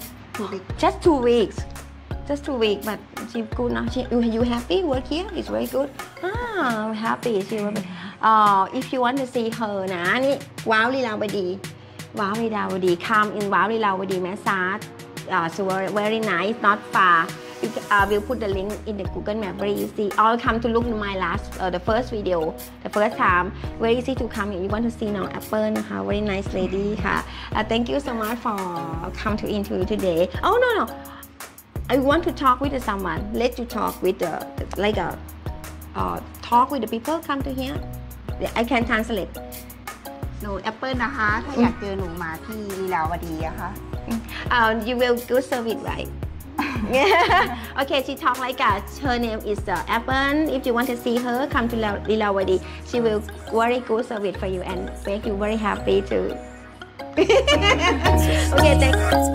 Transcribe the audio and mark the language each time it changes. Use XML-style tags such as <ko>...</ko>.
<en>Just 2 weeks. Just 2 weeks. But she good now. You happy work here? It's very good. Ah, happy. She will be. If you want to see her,</en> <th>นะนี่ว้าวลีลาวดีว้าวลีลาวดี</th> <en>Come in</en> <th>ว้าวลีลาวดีแม่ซาร์</th> <en>so very nice, not far. We'll put the link in the Google Map where you see. All come to look my last, the first video, the first time. Very easy to come if you want to see Nong Apple, ha? Very nice lady, ha? Thank you so much for come to interview today. Oh, no, no. I want to talk with someone. Let you talk with the, like a, talk with the people come to here. I can translate.</en> <th>หนูแอปเปิ้ลนะคะถ้าอยากเจอหนูมาที่ลีลาวดีอะคะ</th> <en>you will good service right okay she talk like a her name is Apple if you want to see her come to Lilawadi she will very good service for you and make you very happy too okay thank you</en>